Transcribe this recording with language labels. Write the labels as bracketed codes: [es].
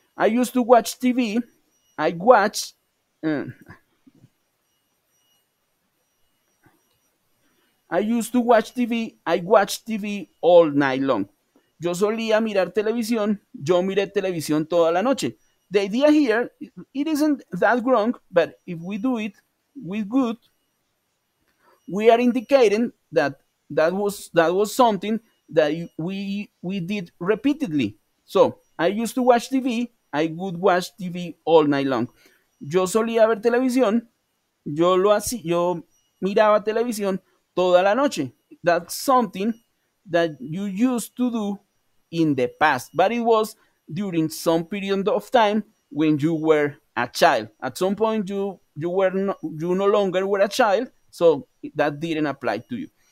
[en] I used to watch TV. I watch. I used to watch TV. I watched TV all night long. [es] Yo solía mirar televisión. Yo miré televisión toda la noche. [en] The idea here, it isn't that wrong, but if we do it with good, we are indicating that was something that we did repeatedly. So, I used to watch TV. I would watch TV all night long. [es] Yo solía ver televisión. Yo lo hacía. Yo miraba televisión toda la noche. [en] That's something that you used to do in the past, but it was during some period of time when you were a child. At some point, you no longer were a child, so that didn't apply to you.